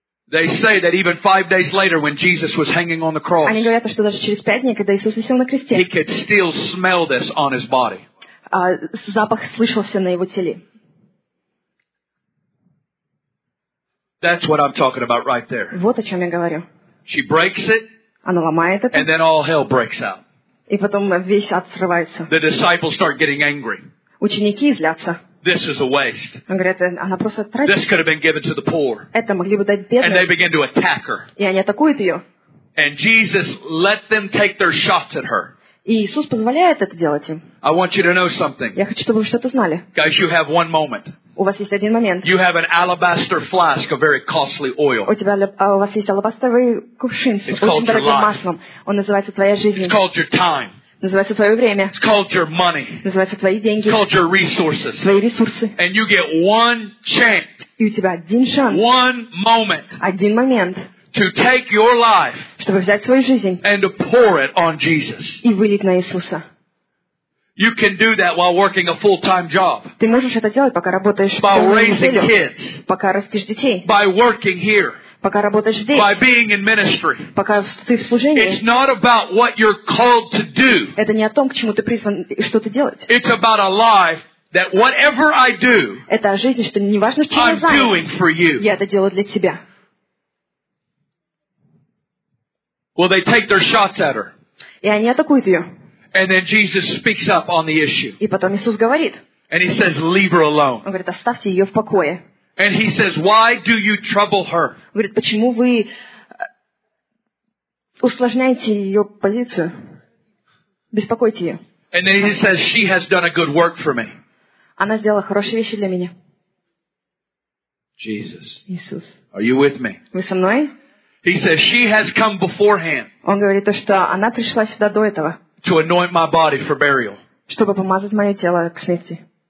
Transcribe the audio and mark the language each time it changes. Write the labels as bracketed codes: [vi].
[en] They say that even 5 days later, when Jesus was hanging on the cross, [ru] они говорят, что даже через 5 дней, когда Иисус висел на кресте, [en] he could still smell this on his body. [ru] Запах слышался на его теле. [en] That's what I'm talking about right there. [ru] Вот о чем я говорю. [en] She breaks it. [ru] Она ломает это. [en] And then all hell breaks out. [ru] И потом весь ад срывается. [en] The disciples start getting angry. [ru] Ученики злятся. [en] This is a waste. [ru] Он говорит, она просто тратит. [en] This could have been given to the poor. [ru] Это могли бы дать бедным. [en] And they begin to attack her. [ru] И они атакуют ее. [en] And Jesus let them take their shots at her. [ru] И Иисус позволяет это делать им. [en] I want you to know something. [ru] Я хочу, чтобы вы что-то знали. [en] Guys, you have one moment. [ru] У вас есть один момент. [en] You have an alabaster flask, a very costly oil. [ru] У тебя у вас есть алебастровый кувшин с очень дорогим маслом. Он называется твоя жизнь. [en] It's called your time. [ru] Называется твое время. [en] It's called your money. [ru] Называется твои деньги. [en] It's called your resources. [ru] Твои ресурсы. [en] And you get one chance. [ru] И у тебя один шанс. [en] One moment. [ru] Один момент. [en] To take your life. [ru] Чтобы взять свою жизнь. [en] And to pour it on Jesus. [ru] И вылить на Иисуса. [en] You can do that while working a full-time job. [ru] Ты можешь это делать, пока работаешь в полной неделе. [en] By raising kids. [ru] Пока растишь детей. [en] By working here. [ru] Пока работаешь здесь. [en] By being in ministry. [ru] Пока ты в служении. [en] It's not about what you're called to do. [ru] Это не о том, к чему ты призван и что ты делать. [en] It's about a life that whatever I do. [ru] Это о жизни, что не важно, чем я занят. [en] I'm doing for you. [ru] Я это делаю для тебя. [en] Well, they take their shots at her. [ru] И они атакуют ее. [en] And then Jesus speaks up on the issue. [ru] И потом Иисус говорит. [en] And he says, "Leave her alone." [ru] Он говорит, оставьте ее в покое. [en] And he says, "Why do you trouble her?" [ru] Он говорит, почему вы усложняете ее позицию, беспокоите ее? [en] And then he says, "She has done a good work for me." [ru] Она сделала хорошие вещи для меня. [en] Jesus. [ru] Иисус. [en] Are you with me? [ru] Вы со мной? [en] He says, "She has come beforehand." [ru] Он говорит то, что она пришла сюда до этого. [en] To anoint my body for burial. [ru] Чтобы помазать мое тело к смерти.